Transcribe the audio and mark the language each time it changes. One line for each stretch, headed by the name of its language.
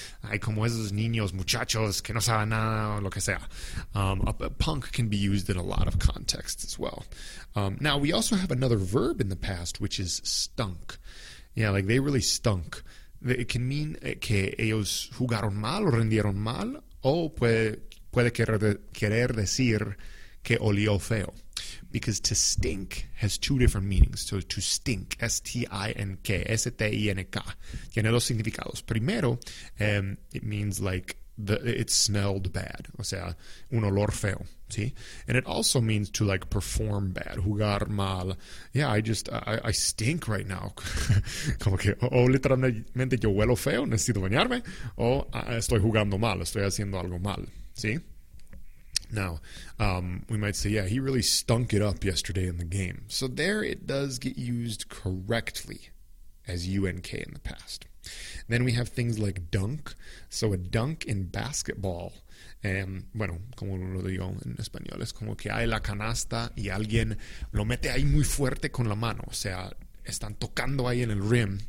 Spanish: Ay, como esos niños muchachos que no saben nada, o lo que sea.
English: A punk can be used in a lot of contexts as well. Now, we also have another verb in the past, which is stunk. Yeah, like they really stunk. It can mean
Spanish: que ellos jugaron mal o rindieron mal, o puede querer decir que olió feo.
English: Because to stink has two different meanings. So to stink, S-T-I-N-K, S-T-I-N-K,
Spanish: tiene dos significados. Primero,
English: it means like it smelled bad,
Spanish: o sea, un olor feo, ¿sí?
English: And it also means to like perform bad,
Spanish: jugar mal.
English: Yeah, I stink right now.
Spanish: Como que, o literalmente yo huelo feo, necesito bañarme, o estoy jugando mal, estoy haciendo algo mal, ¿sí?
English: Now, we might say, yeah, he really stunk it up yesterday in the game. So there it does get used correctly as UNK in the past. Then we have things like dunk. So a dunk in basketball.
Spanish: Bueno, como lo digo en español, es como que hay la canasta y alguien lo mete ahí muy fuerte con la mano. O sea, están tocando ahí en el rim.